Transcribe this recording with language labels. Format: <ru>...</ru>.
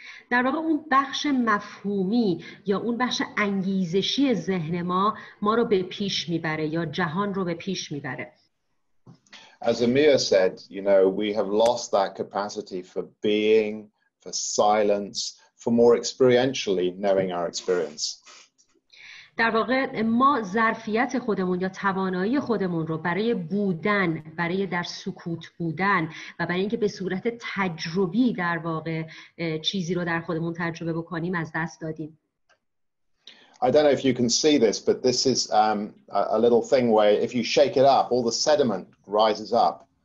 <fa>در واقع اون بخش مفهومی یا اون بخش انگیزشی ذهن ما ما رو به پیش میبره یا جهان رو به پیش میبره.</fa> <en>As Amir said, you know, we have lost that capacity for being, for silence, for more experientially knowing our experience.</en> <fa>در واقع ما ظرفیت خودمون یا توانایی خودمون رو برای بودن، برای در سکوت بودن و برای اینکه به صورت تجربی در واقع چیزی رو در خودمون تجربه بکنیم از دست دادیم.</fa> <en>I don't know if you can see this, but this is a little thing where if you shake it up, all the sediment rises up.</en>